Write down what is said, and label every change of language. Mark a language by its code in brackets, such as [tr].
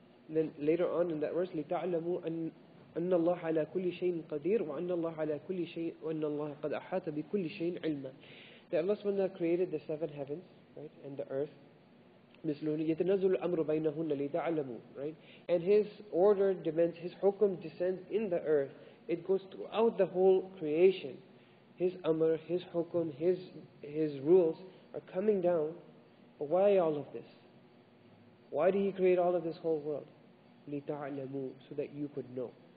[en] Then later on in that verse, [ar] لِتَعْلَمُوا أَنَّ اللَّهَ عَلَى كُلِّ شَيْءٍ قَدِيرٌ وَأَنَّ اللَّهَ عَلَى كُلِّ شَيْءٍ وَأَنَّ اللَّهَ قَدْ أَحَاطَ بِكُلِّ شَيْءٍ عِلْمًا. [en] That Allah subhanahu wa ta'ala created the seven heavens, right, and the earth. [ar] يَتَنَزُلُ الْأَمْرُ بَيْنَهُنَّ لِتَعْلَمُوا, right? [en] And His order demands, His hukum descends in the earth. It goes throughout the whole creation. His amr, His hukum, His rules are coming down. But why all of this? Why did He create all of this whole world? لِتَعْلَمُوا, so that you could know.